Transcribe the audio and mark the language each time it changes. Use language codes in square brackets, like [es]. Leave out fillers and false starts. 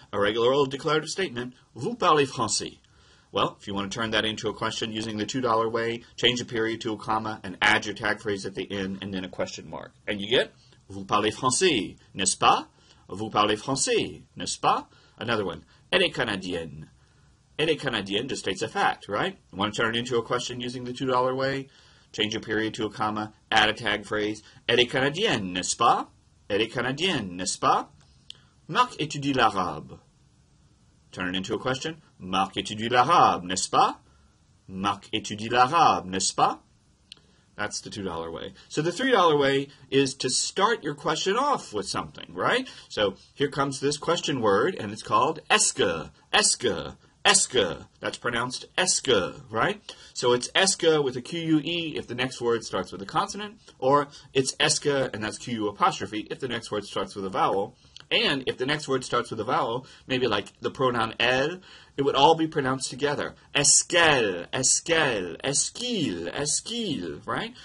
[en] A regular old declarative statement. [fr] Vous parlez français? [en] Well, if you want to turn that into a question using the $2 way, change a period to a comma and add your tag phrase at the end and then a question mark. And you get, [fr] vous parlez français, n'est-ce pas? Vous parlez français, n'est-ce pas? [en] Another one, [fr] elle est canadienne. Elle est canadienne [en] just states a fact, right? You want to turn it into a question using the $2 way? Change a period to a comma, add a tag phrase, [fr] elle est canadienne, n'est-ce pas? Elle est canadienne, n'est-ce pas? Marc étudie l'arabe. [en] Turn it into a question. [fr] Marc étudie l'arabe, n'est-ce pas? Marc étudie l'arabe, n'est-ce pas? [en] That's the $2 way. So the $3 way is to start your question off with something, right? So here comes this question word, and it's called est-ce, est-ce, est-ce. That's pronounced est-ce, right? So it's est-ce with a Q-U-E if the next word starts with a consonant, or it's est-ce, and that's Q-U apostrophe if the next word starts with a vowel. And if the next word starts with a vowel, maybe like the pronoun elle, it would all be pronounced together. [fr] Est-ce-qu'elle, est-ce-qu'elle, est-ce-qu'il, est-ce-qu'il, right?